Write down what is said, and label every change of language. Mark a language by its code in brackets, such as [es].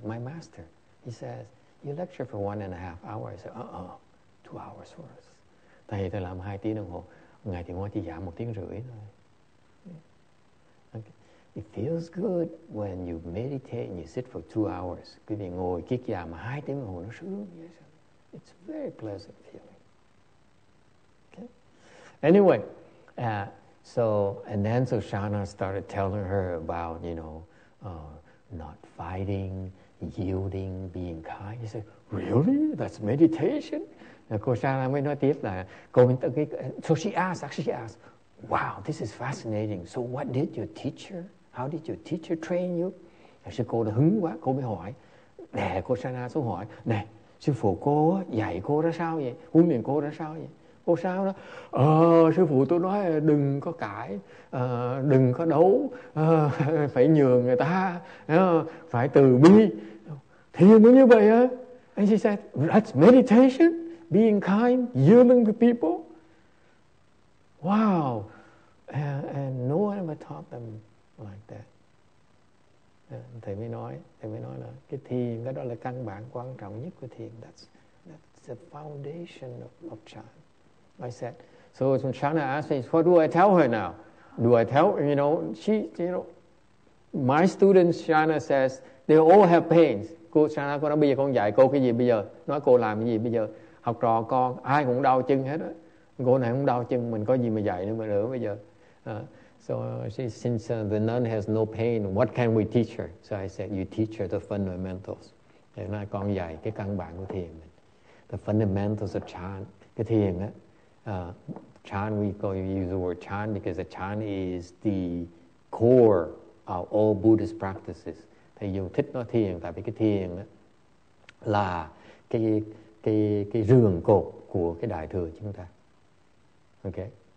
[en] My master, he says, you lecture for 1.5 hours. I said, 2 hours for us. [vi] Thầy thì làm 2 tiếng đồng hồ. Ngày Trung Hoa chỉ giảng 1 tiếng rưỡi thôi. [en] It feels good when you meditate and you sit for 2 hours. [vi] Quý vị ngồi kiết già mà 2 tiếng đồng hồ nó sướng. [en] It's a very pleasant feeling. Okay. Anyway, so Shana started telling her about, you know, not fighting, yielding, being kind. She said, really? That's meditation? [vi] Cô Shana mới nói tiếp là, [en] so she asked, wow, this is fascinating. So what did your teacher? How did your teacher train you? [vi] Sư cô đã hứng quá, cô mới hỏi. Nè, cô Shana xuống hỏi. Nè, sư phụ cô dạy cô ra sao vậy? Huấn luyện cô ra sao vậy? Cô sao đó? Sư phụ tôi nói đừng có cãi, đừng có đấu, phải nhường người ta, phải từ bi. Thì mới như vậy á. [en] And she said, that's meditation, being kind, yielding to people. Wow. And no one ever taught them like that. [vi] Thầy mới nói là cái thiền, cái đó là căn bản quan trọng nhất của thiền. [en] That's the foundation of chan. I said, so when Shana asked me, what do I tell her now? Do I tell, you know, she, you know, my students, Shana says, they all have pains. [vi] Cô Shana, cô nói, bây giờ con dạy cô cái gì bây giờ? Nói cô làm cái gì bây giờ? Học trò con, ai cũng đau chân hết á. Cô này không đau chân, mình có gì mà dạy nữa mà nữa bây giờ. [en] So since the nun has no pain, what can we teach her? So I said, you teach her the fundamentals. [vi] Thế nói con dạy cái căn bản của thiền mình. [en] The fundamentals of chan. [vi] Cái thiền á, [en] chan, we call you use the word chan because the chan is the core of all Buddhist practices. [vi] Thầy dù thích nói thiền, tại vì cái thiền á, là cái rường cột của cái đại thừa chúng ta. Okay?